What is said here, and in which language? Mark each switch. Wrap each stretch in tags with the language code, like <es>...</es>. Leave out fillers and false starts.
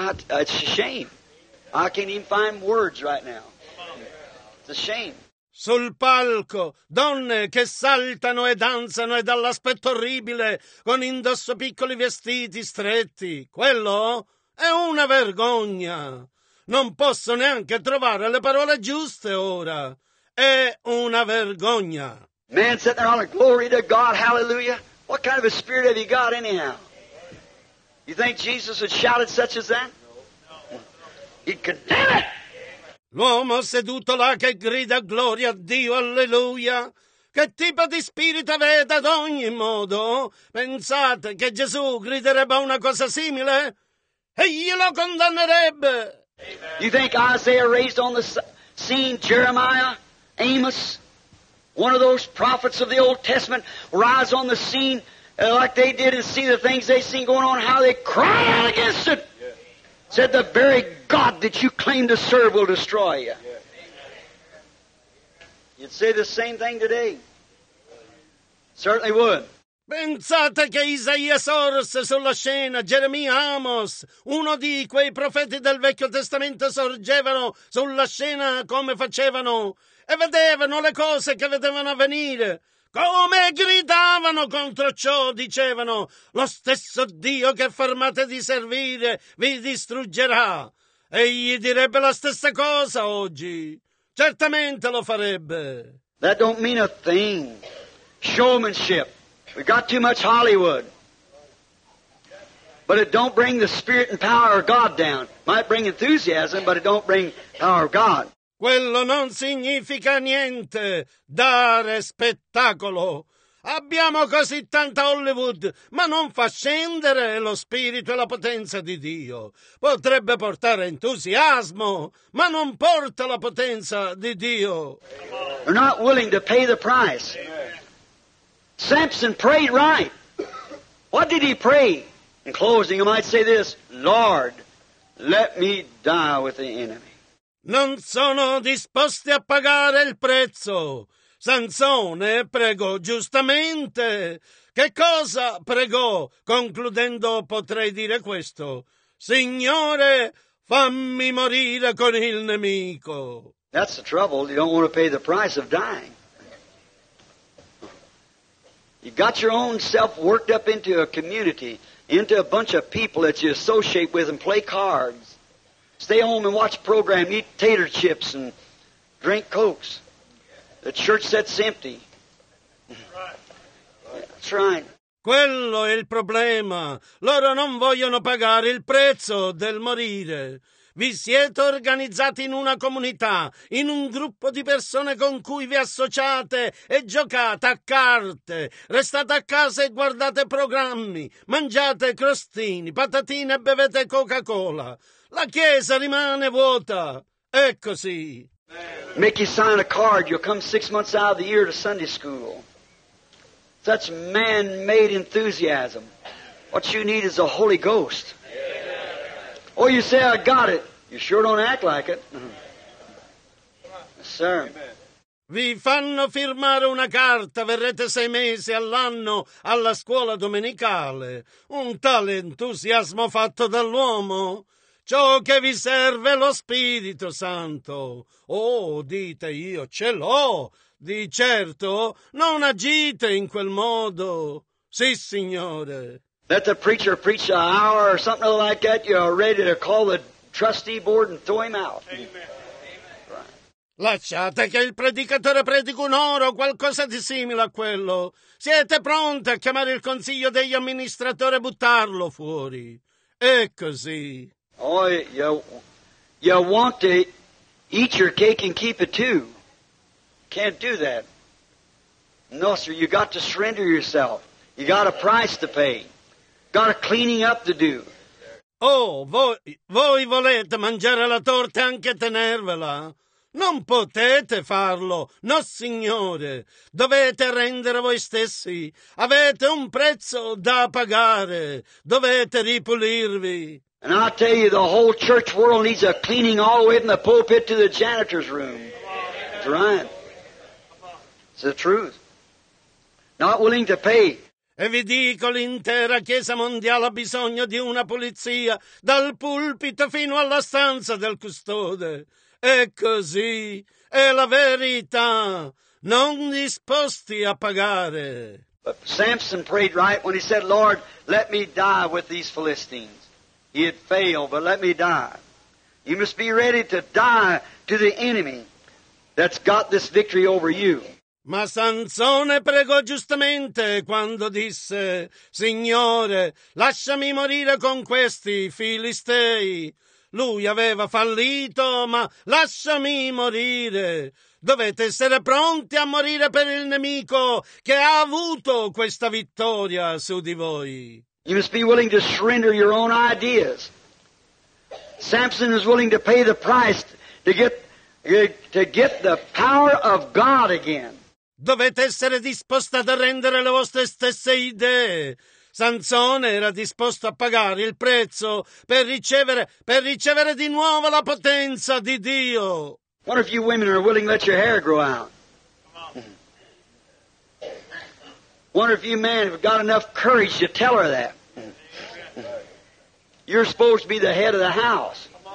<en>It's a shame. I can't even find words right now. It's a shame.</en> <it>Sul palco, donne che saltano e danzano e dall'aspetto orribile, con indosso piccoli vestiti stretti. Quello è una vergogna. Non posso neanche trovare le parole giuste ora. È una vergogna.</it> <en>Man sitting there on a glory to God, hallelujah. What kind of a spirit have you got anyhow? You think Jesus would shout it such as that? He condemned it.</en> <it>L'uomo seduto là che grida gloria a Dio, alleluia. Che tipo di spirito avete ad ogni modo? Pensate che Gesù griderebbe una cosa simile? E glielo condannerebbe.</it> <en>You think Isaiah raised on the scene Jeremiah, Amos, one of those prophets of the Old Testament, rise on the scene like they did and see the things they seen going on, how they cry out against it? Said the very God that you claim to serve will destroy you. You'd say the same thing today. Certainly would.</en> <it>Pensate che Isaia sorse sulla scena, Geremia, Amos, uno di quei profeti del Vecchio Testamento sorgevano sulla scena come facevano e vedevano le cose che vedevano avvenire. Come gridavano contro ciò, dicevano, lo stesso Dio che fermate di servire vi distruggerà. Egli direbbe la stessa cosa oggi. Certamente lo farebbe.</it> <en>That don't mean a thing. Showmanship. We got too much Hollywood. But it don't bring the spirit and power of God down. Might bring enthusiasm, but it don't bring power of God.</en> <it>Quello non significa niente, dare spettacolo. Abbiamo così tanta Hollywood, ma non fa scendere lo spirito e la potenza di Dio. Potrebbe portare entusiasmo, ma non porta la potenza di Dio.</it> <en>They're not willing to pay the price. Samson prayed right. What did he pray? In closing, you might say this, Lord, let me die with the enemy.</en> <it>Non sono disposti a pagare il prezzo. Sansone pregò giustamente. Che cosa pregò? Concludendo potrei dire questo. Signore, fammi morire con il nemico.</it> <en>That's the trouble. You don't want to pay the price of dying. You got your own self worked up into a community, into a bunch of people that you associate with and play cards. Stay home and watch program, eat tater chips and drink Cokes. The church sits empty. That's right.</en> <it>Quello è il problema. Loro non vogliono pagare il prezzo del morire. Vi siete organizzati in una comunità, in un gruppo di persone con cui vi associate e giocate a carte. Restate a casa e guardate programmi. Mangiate crostini, patatine e bevete Coca-Cola. La chiesa rimane vuota. È così.</it> <en>Make you sign a card, you'll come 6 months out of the year to Sunday school. Such man-made enthusiasm. What you need is the Holy Ghost. Oh, you say, I got it. You sure don't act like it. Sir.</en> <it>Vi fanno firmare una carta, verrete 6 mesi all'anno alla scuola domenicale. Un tale entusiasmo fatto dall'uomo. Ciò che vi serve è lo Spirito Santo. Oh, dite, io ce l'ho. Di certo, non agite in quel modo. Sì, Signore.</it> <en>Let the preacher preach an hour or something like that. You're ready to call the trustee board and throw him out. Amen.</en> <it>Lasciate che il predicatore predichi un'ora o qualcosa di simile a quello. Siete pronti a chiamare il consiglio degli amministratori e buttarlo fuori. È così.</it> <en>Oh, you want to eat your cake and keep it too. Can't do that. No, sir, you got to surrender yourself. You got a price to pay. Got a cleaning up to do.</en> <it>Oh, voi volete mangiare la torta e anche tenervela? Non potete farlo, no signore. Dovete rendere voi stessi. Avete un prezzo da pagare. Dovete ripulirvi.</it> <en>And I tell you, the whole church world needs a cleaning all the way from the pulpit to the janitor's room. It's right. It's the truth. Not willing to pay.</en> <it>E vi dico, l'intera Chiesa mondiale ha bisogno di una pulizia, dal pulpito fino alla stanza del custode. È così, è la verità. Non disposti a pagare.</it> <en>But Samson prayed right when he said, Lord, let me die with these Philistines. He had failed, but let me die. You must be ready to die to the enemy that's got this victory over you.</en> <it>Ma Sansone pregò giustamente quando disse, Signore, lasciami morire con questi filistei. Lui aveva fallito, ma lasciami morire. Dovete essere pronti a morire per il nemico che ha avuto questa vittoria su di voi.</it> <en>You must be willing to surrender your own ideas. Samson is willing to pay the price to get the power of God again.</en> <it>Dovete essere disposti ad arrendere le vostre stesse idee. Sansone era disposto a pagare il prezzo per ricevere di nuovo la potenza di Dio.</it> <en>What if you women are willing to let your hair grow out? Wonder if you men have got enough courage to tell her that. You're supposed to be the head of the house.</en>